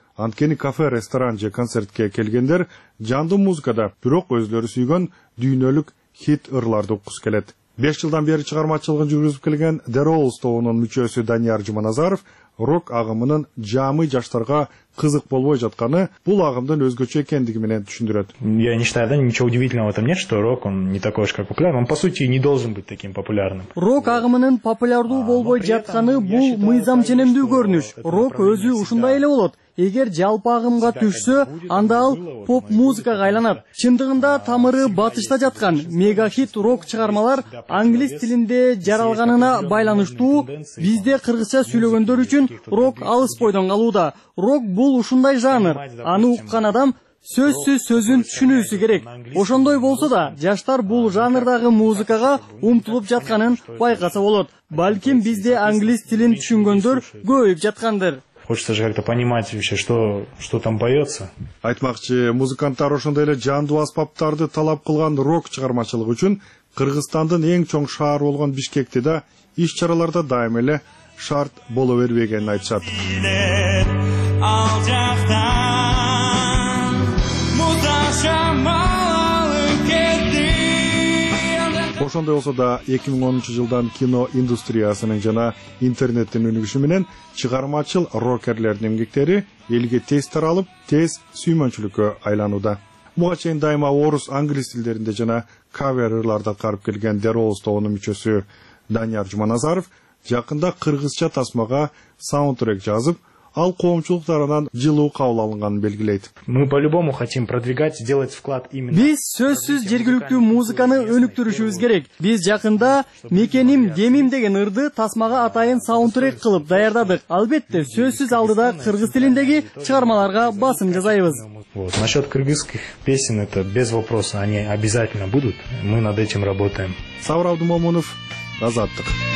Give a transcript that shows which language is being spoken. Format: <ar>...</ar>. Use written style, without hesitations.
<ky>Анткени кафе, ресторан же концертке келгендер жандуу музыкада, бирок өзлөрү сүйгөн дүйнөлүк хит ырларды уккусу келет. 5 жылдан бери чыгармачылыгын жүргүзүп келген The Rolls тобунун мүчөсү Данияр Жуманазаров рок агымынын жамы жаштарга кызык болбой жатканы бул агымдын өзгөчө экендиги менен түшүндүрөт.</ky> <ru>Я не считаю ничего удивительного в этом, нет, что рок он не такой уж как популярный, он по сути не должен быть таким популярным.</ru> <ky>Рок агымынын популярдуу болбой жатканы бул мыйзам ченемдүү көрүнүш. Рок өзү ушундай эле болот. Эгер жалпы агымга түшсө, анда ал поп музыкага айланат. Чындыгында тамыры батышта жаткан мегахит рок чыгармалар англис тилинде жаралганына байланыштуу бизде кыргызча сүйлөгөндөр үчүн рок алыс бойдон калууда. Рок бул ушундай жанр. Аны уккан адам сөзсүз сөзүн түшүнүүсү керек. Ошондой болсо да, жаштар бул жанрдагы музыкага умтулуп жатканын байкаса болот. Балким бизде англис тилин түшүнгөндөр көбөйүп жаткандыр.</ky> <ru>Хочется же как-то понимать вообще, что там поется.</ru> <ky>Айтмакчы, музыканттар ошондой эле жандуу аспаптарды талап кылган рок чыгармачылыгы үчүн Кыргызстандын эң чоң шаары болгон Бишкекте да иш-чараларда дайым эле шарт боло бербегенин айтышат. Ошондой болсо да 2010-жылдан кино индустриясынын жана интернеттин өнүгүшү менен чыгармачыл рокерлердин эмгектери элге тез таралып, тез сүймөнчүлүккө айланууда. Буга чейин дайыма орус, англис тилдеринде жана каверларда карып келген Дероус тобунун мүчөсү Данияр Жуманазаров жакында кыргызча тасмага саундтрек жазып, ал коомчулук тарабынан жылуу кабыл алынганын белгилейт.</ky> <ru>Мы по-любому хотим продвигать, делать вклад именно.</ru> <ky>Биз сөзсүз жергиликтүү музыканы өнүктүрүшүбүз керек. Биз жакында Мекеним демим деген ырды тасмага атайын саундтрек кылып даярдадык. Албетте, сөзсүз алдыда кыргыз тилиндеги чыгармаларга басым жасайбыз.</ky> <ru>Вот, насчёт кыргызских песен это без вопроса, они обязательно будут. Мы над этим работаем.</ru> <ky>Саурал Думомонов, Азаттык.</ky>